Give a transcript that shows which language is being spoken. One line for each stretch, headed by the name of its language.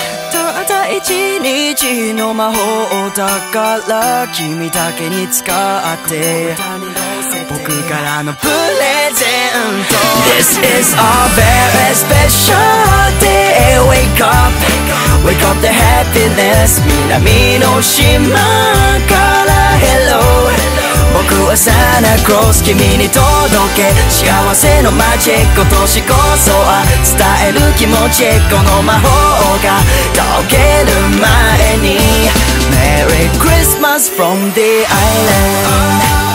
Japanese: ただ一日の魔法だから君だけに使って、からのプレゼント。
English: This is a very special day. Wake up, wake up the happiness.
Japanese: 南の島から Hello, 僕はサンタクロース君に届け幸せのマジック。今年こそは伝える気持ち、この魔法が解ける前に。
English: Merry Christmas from the island.